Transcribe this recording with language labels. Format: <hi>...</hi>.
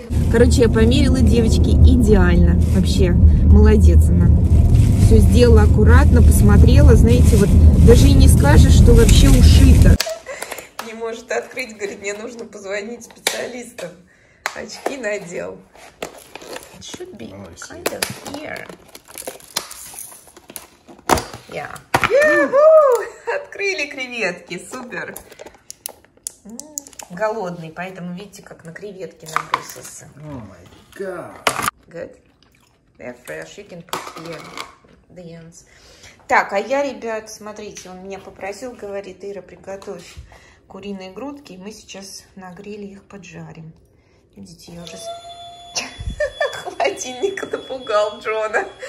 <ru>Короче, я померила девочки идеально. Вообще, молодец она. Все сделала аккуратно, посмотрела. Знаете, вот даже и не скажешь, что вообще ушито. Не может открыть, говорит, мне нужно позвонить специалистам. Очки надел.</ru> <en>It should be kind of here.</en> <ru>Yeah. Ю-ху! Открыли креветки. Супер. Голодный, поэтому видите, как на креветки набросился.</ru> <en>Oh my god. Good? They're fresh. You can put here the ends.</en> <ru>Так, а я, ребят, смотрите, он меня попросил, говорит, Ира, приготовь куриные грудки, и мы сейчас на гриле их поджарим. Видите, я уже... Холодильник напугал Джона.</ru>